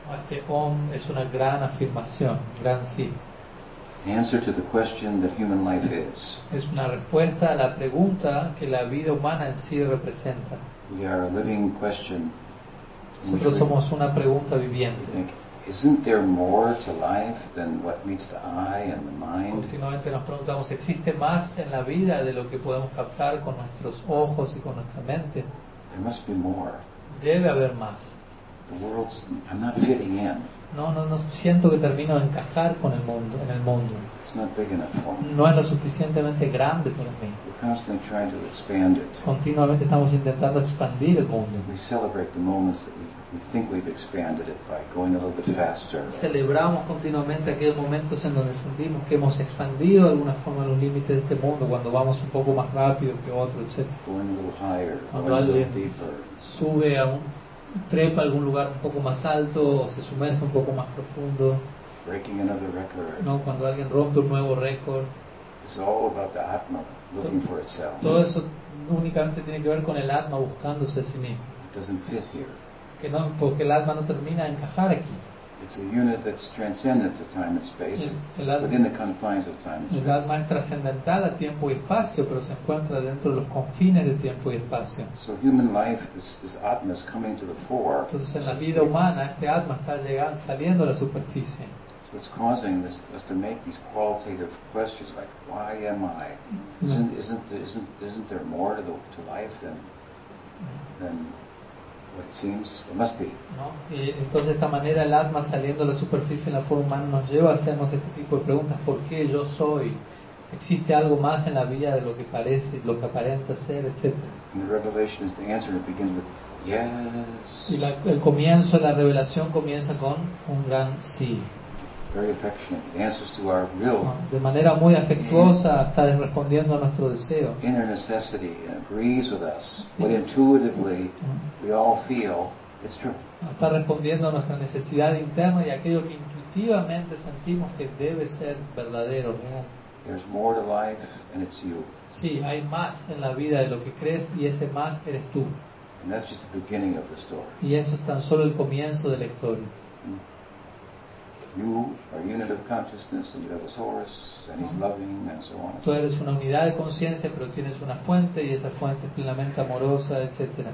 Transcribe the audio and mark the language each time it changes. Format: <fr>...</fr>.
<es>Este om es una gran afirmación, un gran sí.</es> <en>Answer to the question that human life is.</en> <es>Es una respuesta a la pregunta que la vida humana en sí representa.</es> <en>We are a living question.</en> <es>Nosotros somos una pregunta viviente.</es> <en>We think, isn't there more to life than what meets the eye and the mind?</en> <es>Últimamente nos preguntamos, ¿existe más en la vida de lo que podemos captar con nuestros ojos y con nuestra mente?</es> <en>There must be more.</en> <es>Debe haber más.</es> <en>The world's, I'm not fitting in.</en> <es>No siento que termino de encajar con el mundo, en el mundo.</es> <en>It's not big enough for me.</en> <es>No es lo suficientemente grande para mí.</es> <en>We're constantly trying to expand it.</en> <es>Continuamente estamos intentando expandir el mundo.</es> <en>We celebrate the moments that we think we've expanded it by going a little bit faster.</en> <es>Celebramos continuamente aquellos momentos en donde sentimos que hemos expandido de alguna forma los límites de este mundo, cuando vamos un poco más rápido que otro, etc.</es> <en>Going a little higher, going a little deeper.</en> <es>Sube a un trepa a algún lugar un poco más alto o se sumerge un poco más profundo.</es> <en>Breaking another record.</en> <es>No, cuando alguien rompe un nuevo récord.</es> <en>It's all about the Atma looking for itself.</en> <es>Todo eso únicamente tiene que ver con el Atma buscándose a sí mismo.</es> <en>It doesn't fit here.</en> <es>Que no, porque el Atma no termina de encajar aquí.</es> <en>It's a unit that's transcendent to time and space. Within the confines of time and space.</en> <es>El Atma es trascendental a tiempo y espacio, pero se encuentra dentro de los confines de tiempo y espacio.</es> <en>So human life, this Atma is coming to the fore.</en> <es>Entonces en la vida humana este Atma está llegando, saliendo a la superficie.</es> <en>So it's causing us to make these qualitative questions like, why am I? Isn't there more to life than what seems it must be.</en> <es>No, y entonces esta manera el alma saliendo a la superficie en la forma humana nos lleva a hacernos este tipo de preguntas. ¿Por qué yo soy? ¿Existe algo más en la vida de lo que parece, lo que aparenta ser, etcétera?</es> <en>And the revelation is the answer. It begins with yes.</en> <es>Y el comienzo de la revelación comienza con un gran sí.</es> <en>Very affectionate. It answers to our will. No,</en> <es>de manera muy afectuosa está respondiendo a nuestro deseo.</es> <en>Inner necessity agrees with us. But intuitively we all feel it's true.</en> <es>Está respondiendo a nuestra necesidad interna y aquello que intuitivamente sentimos que debe ser verdadero, real.</es> <en>There's more to life, and it's you.</en> <es>Sí, hay más en la vida de lo que crees, y ese más eres tú.</es> <en>And that's just the beginning of the story.</en> <es>Y eso es tan solo el comienzo de la historia.</es> <en>You are a unit of consciousness, and you have a source, and he's loving, and so on.</en> <es>Tú eres una unidad de conciencia, pero tienes una fuente, y esa fuente es plenamente amorosa, etc.</es>